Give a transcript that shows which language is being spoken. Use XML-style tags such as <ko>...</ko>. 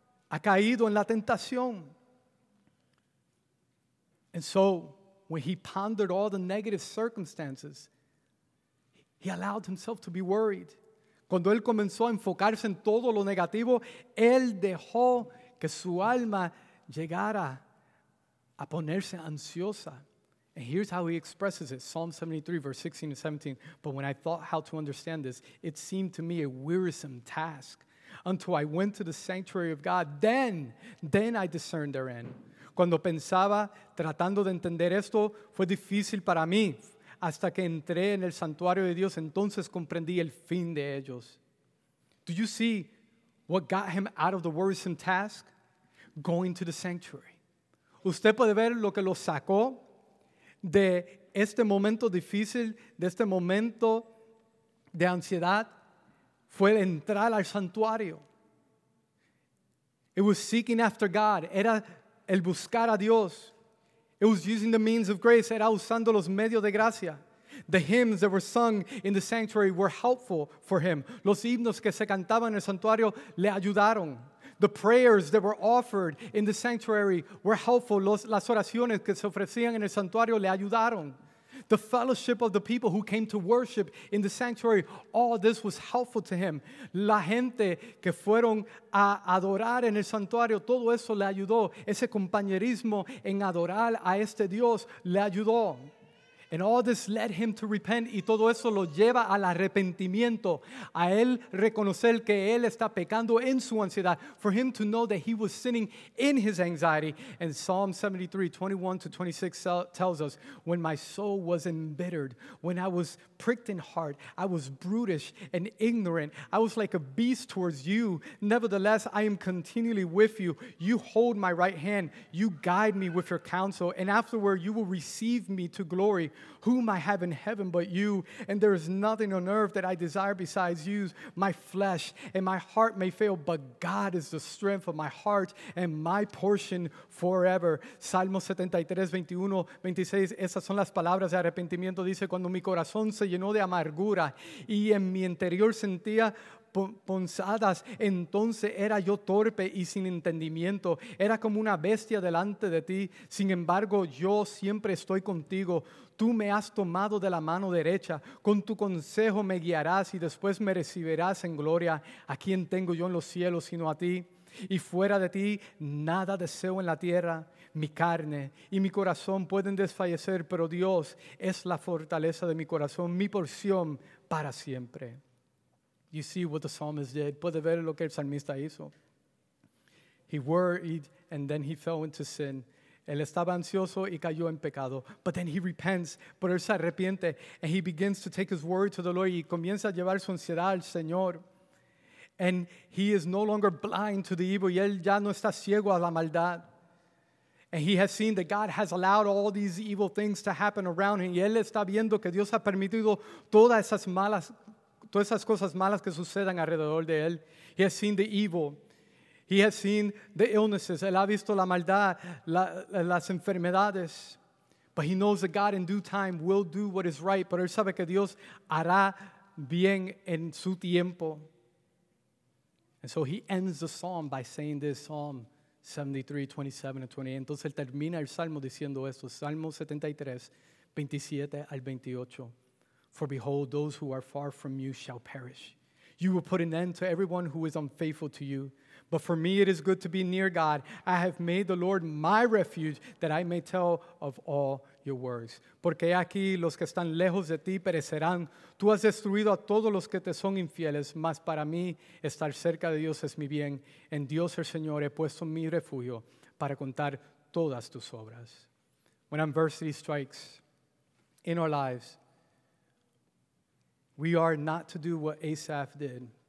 <es>Ha caído en la tentación.</es> <en>And so, when he pondered all the negative circumstances, he allowed himself to be worried.</en> <es>Cuando él comenzó a enfocarse en todo lo negativo, él dejó que su alma llegara a ponerse ansiosa.</es> <en>And here's how he expresses it, Psalm 73, verse 16 and 17. But when I thought how to understand this, it seemed to me a wearisome task until I went to the sanctuary of God. Then I discerned therein.</en> <es>Cuando pensaba, tratando de entender esto, fue difícil para mí. Hasta que entré en el santuario de Dios, entonces comprendí el fin de ellos.</es> <en>Do you see what got him out of the worrisome task? Going to the sanctuary.</en> <es>Usted puede ver lo que lo sacó de este momento difícil, de este momento de ansiedad, fue entrar al santuario.</es> <en>It was seeking after God.</en> <es>Era el buscar a Dios.</es> <en>It was using the means of grace.</en> <es>Era usando los medios de gracia.</es> <en>The hymns that were sung in the sanctuary were helpful for him.</en> <es>Los himnos que se cantaban en el santuario le ayudaron.</es> <en>The prayers that were offered in the sanctuary were helpful.</en> <es>Las oraciones que se ofrecían en el santuario le ayudaron.</es> <en>The fellowship of the people who came to worship in the sanctuary, all this was helpful to him.</en> <es>La gente que fueron a adorar en el santuario, todo eso le ayudó. Ese compañerismo en adorar a este Dios le ayudó.</es> <en>And all this led him to repent.</en> <es>Y todo eso lo lleva al arrepentimiento. A él reconocer que él está pecando en su ansiedad.</es> <en>For him to know that he was sinning in his anxiety. And Psalm 73, 21 to 26 tells us, when my soul was embittered, when I was pricked in heart, I was brutish and ignorant. I was like a beast towards you. Nevertheless, I am continually with you. You hold my right hand. You guide me with your counsel. And afterward, you will receive me to glory. Whom I have in heaven but you, and there is nothing on earth that I desire besides you. My flesh and my heart may fail, but God is the strength of my heart and my portion forever.</en> <es>Salmo 73, 21, 26. Esas son las palabras de arrepentimiento. Dice, cuando mi corazón se llenó de amargura y en mi interior sentía punzadas, entonces era yo torpe y sin entendimiento, era como una bestia delante de ti. Sin embargo, yo siempre estoy contigo. Tú me has tomado de la mano derecha, con tu consejo me guiarás y después me recibirás en gloria. ¿A quién tengo yo en los cielos sino a ti? Y fuera de ti, nada deseo en la tierra. Mi carne y mi corazón pueden desfallecer, pero Dios es la fortaleza de mi corazón, mi porción para siempre.</es> <en>You see what the psalmist did.</en> <es>Puede ver lo que el salmista hizo.</es> <en>He worried and then he fell into sin.</en> <es>Él estaba ansioso y cayó en pecado.</es> <en>But then he repents.</en> <es>Pero él se arrepiente.</es> <en>And he begins to take his worry to the Lord.</en> <es>Y comienza a llevar su ansiedad al Señor.</es> <en>And he is no longer blind to the evil.</en> <es>Y él ya no está ciego a la maldad.</es> <en>And he has seen that God has allowed all these evil things to happen around him.</en> <es>Y él está viendo que Dios ha permitido todas esas cosas malas que sucedan alrededor de él.</es> <en>He has seen the evil. He has seen the illnesses.</en> <es>Él ha visto la maldad, las enfermedades.</es> <en>But he knows that God in due time will do what is right.</en> <es>Pero él sabe que Dios hará bien en su tiempo.</es> <en>And so he ends the psalm by saying this, Psalm 73, 27 and 28.</en> <es>Entonces él termina el salmo diciendo esto, Salmo 73, 27 al 28.</es> <en>For behold, those who are far from you shall perish. You will put an end to everyone who is unfaithful to you. But for me, it is good to be near God. I have made the Lord my refuge, that I may tell of all your works.</en> <es>Porque aquí los que están lejos de ti perecerán. Tú has destruido a todos los que te son infieles. Mas para mí, estar cerca de Dios es mi bien. En Dios el Señor he puesto mi refugio para contar todas tus obras.</es> <en>When adversity strikes in our lives, we are not to do what Asaph did.</en>